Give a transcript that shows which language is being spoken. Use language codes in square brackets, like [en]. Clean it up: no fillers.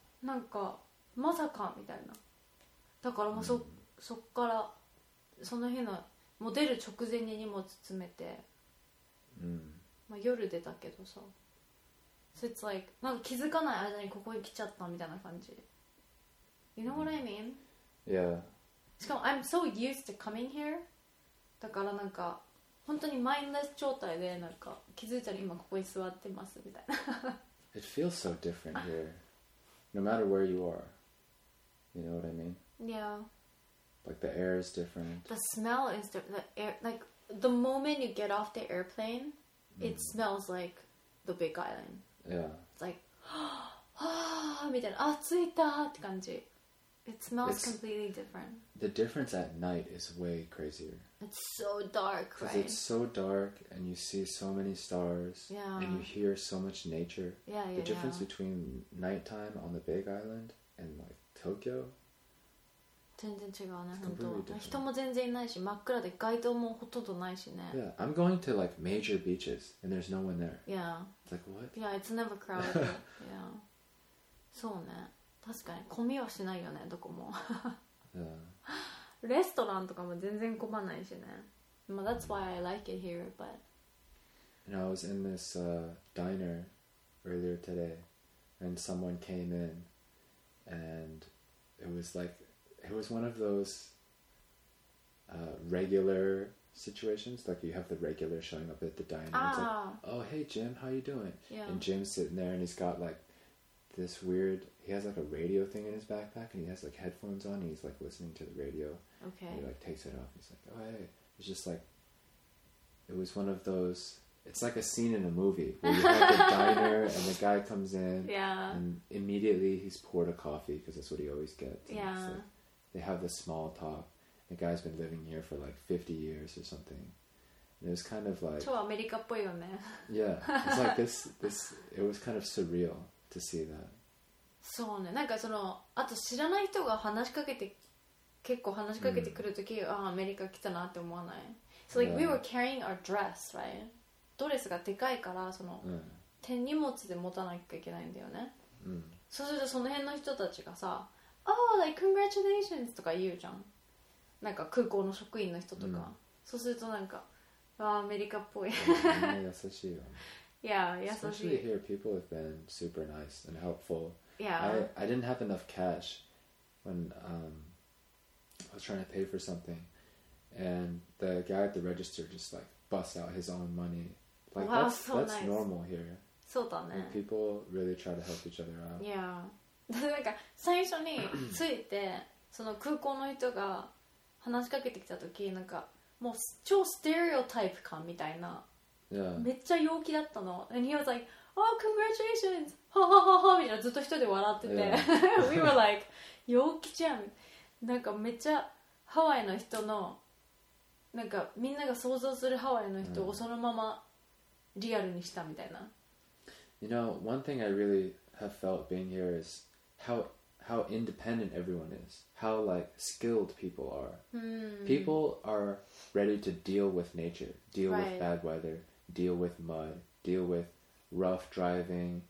[ja] なんかまさかみたいな。だからもう そっからその日のもう出る直前に荷物詰めて、まあ、夜出たけどさ、 [en] so it's like、 [ja] なんか気づかない間にここに来ちゃったみたいな感じ。 [en] You know what I mean? Yeah. [ja] しかも [en] I'm so used to coming here. [ja] だからなんか本当にマインレス状態でなんか気づいたら今ここに座ってますみたいな。 [en] It feels so different here. No matter where you are, you know what I mean? Yeah. Like the air is different. The smell is different. Like the moment you get off the airplane, it smells like the Big Island. Yeah. It's like, ah, [ja] みたいな、あ、着いたって感じ。 [en] It smells completely different. The difference at night is way crazier. It's so dark, right? Because it's so dark and you see so many stars. Yeah. And you hear so much nature. Yeah, the difference between nighttime on the Big Island and like Tokyo. [ja] 全然違うね、本当。人も全然いないし、真っ暗で街灯もほとんどないしね。 [en] Yeah, I'm going to like major beaches and there's no one there. Yeah. It's like what? Yeah, it's never crowded. Yeah. [ja] そうね。確かに混みはしないよね、どこも。 [en] Yeah. [ja] レストランとかも全然混まないしね。まあ、 [en] that's why I like it here, but. And I was in this diner earlier today, and someone came in, and it was like, it was one of those regular situations. Like you have the regular showing up at the diner. Ah. It's like, oh, hey Jim, how you doing? Yeah. And Jim's sitting there, and he's got like this weird. He has like a radio thing in his backpack, and he has like headphones on, and he's like listening to the radio. Okay. And he like takes it off. He's like, oh, hey. It's just like, it was one of those. It's like a scene in a movie where you have the diner, and the guy comes in. Yeah. And immediately he's poured a coffee because that's what he always gets. Yeah. And they have this small talk. The guy's been living here for like 50 years or something. And it was kind of like... [ja] 超アメリカっぽいよね。 [en] Yeah. It's like this, it was kind of surreal to see that. [ja] そうね。なんかその、あと知らない人が話しかけて、結構話しかけてくるとき、ああ、アメリカ来たなって思わない。 [en] So like、yeah. we were carrying our dress, right? [ja] ドレスがでかいから、その、手荷物で持たなきゃいけないんだよね。そうするとその辺の人たちがさ、 [en] Oh, like, congratulations! [ja] とか言うじゃん。なんか空港の職員の人とか。そうするとなんか、わあ、アメリカっぽい。優しいよ。 [en] Yeah. Especially here, people have been super nice and helpful. Yeah. I didn't have enough cash when I was trying to pay for something, and the guy at the register just like busts out his own money. Like, wow, that's nice. Normal here. [ja] そうだね。 [en] People really try to help each other out. Yeah. [ja] なんか最初についてその空港の人が話しかけてきた時、なんかもう超ステレオタイプ感みたいな。 [en] Yeah. [ja] めっちゃ陽気だったの。 [en] And he was like, oh, congratulations! ha ha ha ha! [ja] みたいな、ずっと一人で笑ってて。 [en] Yeah. We were like, [ja] 陽気じゃん。なんかめっちゃハワイの人の、なんかみんなが想像するハワイの人をそのままリアルにしたみたいな。 [en] You know, one thing I really have felt being here is how independent everyone is. How, like, skilled people are. Mm. People are ready to deal with nature, deal right. with bad weather, deal with mud, deal with rough driving.